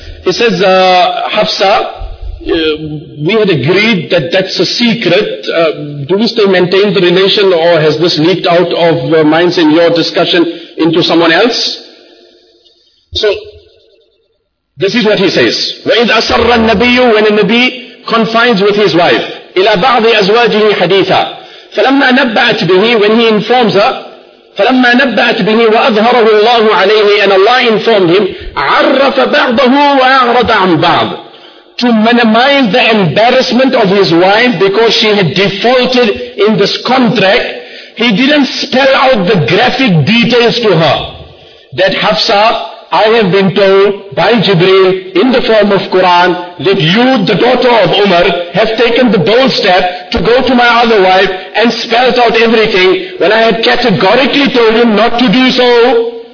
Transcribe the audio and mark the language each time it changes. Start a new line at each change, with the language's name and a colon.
English: He says, Hafsa, we had agreed that that's a secret. Do we still maintain the relation, or has this leaked out of minds in your discussion into someone else? So, this is what he says.
Arabic: وَإِذْ أَسَرَّ النَّبِيُّ
English: when a Nabi confines with his wife.
Arabic: إِلَىٰ بَعْضِ أَزْوَاجِهِ حَدِيثًا فَلَمَّا نَبَّأَتْ بِهِ
English: when he informs her.
Arabic: فَلَمَّا نَبَّأَتْ بِهِ وَأَظْهَرَهُ اللَّهُ عَلَيْهِ
English: and Allah informed him.
Arabic: عَرَّفَ بَعْضَهُ وَأَعْرَضَ عَنْ بَعْضٍ
English: to minimize the embarrassment of his wife because she had defaulted in this contract, he didn't spell out the graphic details to her. That Hafsa, I have been told by Jibreel in the form of Quran that you, the daughter of Umar, have taken the bold step to go to my other wife and spelled out everything when I had categorically told him not to do so.